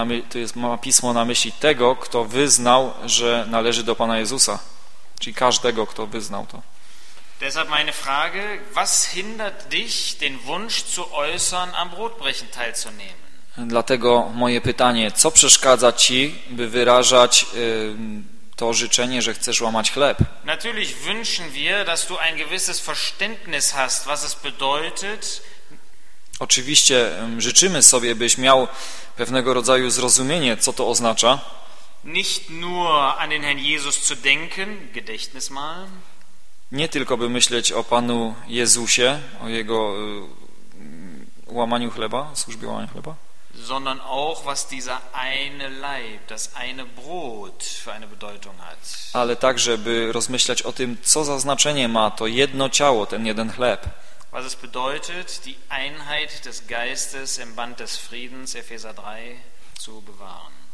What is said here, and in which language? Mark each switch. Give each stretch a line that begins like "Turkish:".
Polish: To jest pismo na myśli tego, kto wyznał, że należy do Pana Jezusa, czyli każdego, kto wyznał to.
German: Deshalb meine Frage, was hindert dich, den Wunsch zu äußern, am Brotbrechen teilzunehmen?
Polish: Dlatego moje pytanie, co przeszkadza ci, by wyrażać to życzenie, że chcesz łamać chleb?
German: Natürlich wünschen wir, dass du ein gewisses Verständnis hast, was es bedeutet.
Polish: Oczywiście życzymy sobie, byś miał pewnego rodzaju zrozumienie, co to oznacza.
German: Nicht nur an den Herrn Jesus zu denken, Gedächtnis mal.
Polish: Nie tylko by myśleć o Panu Jezusie, o jego łamaniu chleba, służbie łamania chleba,
German: sondern auch was dieser eine Leib, das eine Brot für eine Bedeutung hat.
Polish: Ale także by rozmyślać o tym, co za znaczenie ma to jedno ciało, ten jeden chleb.
German: Was es bedeutet, die Einheit des Geistes im Band des Friedens, Epheser 3, zu bewahren.